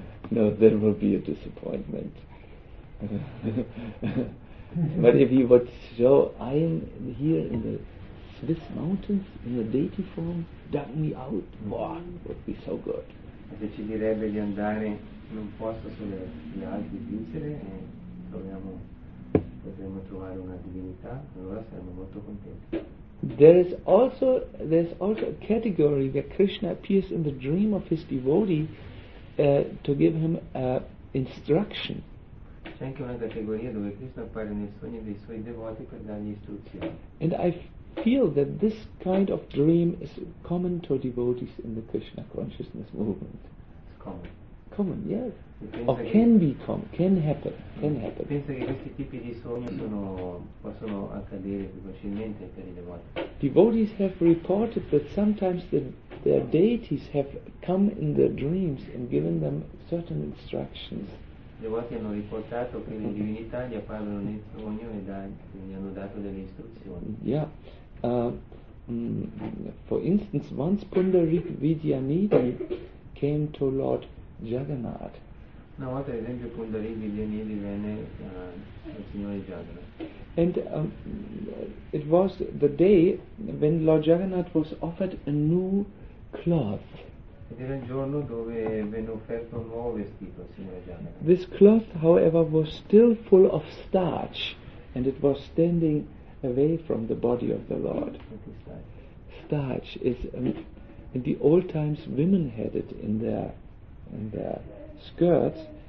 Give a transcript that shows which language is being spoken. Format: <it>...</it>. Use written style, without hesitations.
<en>No, there will be a disappointment. But if he would show, I am here in the Swiss mountains in a deity form, dug me out, wow, would be so good.</en> <it>Se ci direbbe di andare in un posto sulle Alpi vincere e troviamo, potremmo trovare una divinità, allora saremmo molto contenti.</it> <en>There's also a category where Krishna appears in the dream of his devotee to give him instruction.</en> <it>C'è anche una categoria dove Krishna appare nei sogni dei suoi devoti per dargli istruzioni.</it> <en>And I feel that this kind of dream is common to devotees in the Krishna consciousness movement. It's common. Common, yes. Or can be common, can happen, can happen.</en> <it>Pensa che questi tipi di sogni possono accadere più facilmente per i devoti.</it> <en>Devotees have reported that sometimes their deities have come in their dreams and given them certain instructions.</en> <it>I devoti hanno riportato che le divinità gli apparono nel sogno e gli hanno dato delle istruzioni.</it> <en>Yeah. For instance, once Pundarik Vidyanidhi came to Lord Jagannath.</en> <it>Una volta, ad esempio, Pundarini divenne il signore Jagannath.</it> <en>And it was the day when Lord Jagannath was offered a new cloth.</en> <it>Ed era il giorno dove venne offerto un nuovo vestito al signore Jagannath.</it> <en>This cloth, however, was still full of starch, and it was standing away from the body of the Lord. Starch is in the old times women had it in their skirts.</en>